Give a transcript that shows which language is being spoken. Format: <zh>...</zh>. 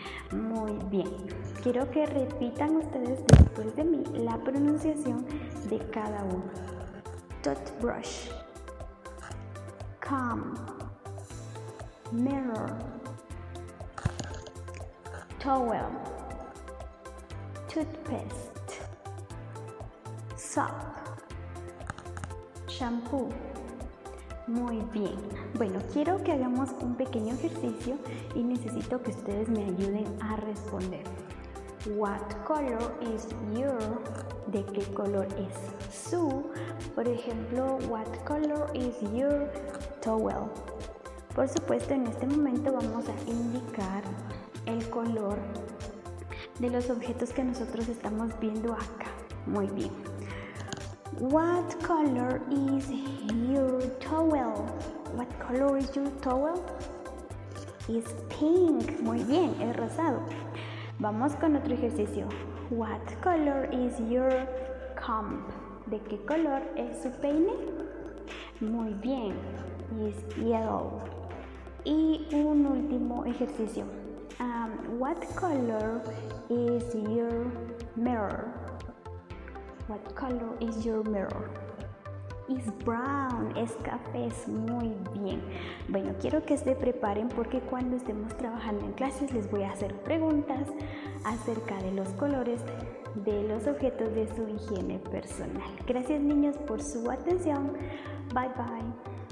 <es>Muy bien, quiero que repitan ustedes después de mí la pronunciación de cada uno.</es> <en>Toothbrush, comb, mirror, towel, toothpaste, soap, shampoo.</en> <es>Muy bien. Bueno, quiero que hagamos un pequeño ejercicio y necesito que ustedes me ayuden a responder.</es> <en>What color is your?</en> <es>¿De qué color es su? Por ejemplo,</es> <en>what color is your towel?</en> <es>Por supuesto, en este momento vamos a indicar el color de los objetos que nosotros estamos viendo acá. Muy bien.</es> <en>What color is your towel? What color is your towel? It's pink.</en> <es>Muy bien, es rosado. Vamos con otro ejercicio.</es> <en>What color is your comb?</en> <es>¿De qué color es su peine? Muy bien,</es> <en>it's yellow.</en> <es>Y un último ejercicio.</es> <en>What color is your mirror? What color is your mirror? It's brown,</en> <es>es café, es muy bien. Bueno, quiero que se preparen porque cuando estemos trabajando en clases les voy a hacer preguntas acerca de los colores de los objetos de su higiene personal. Gracias niños por su atención.</es> <en>Bye bye.</en>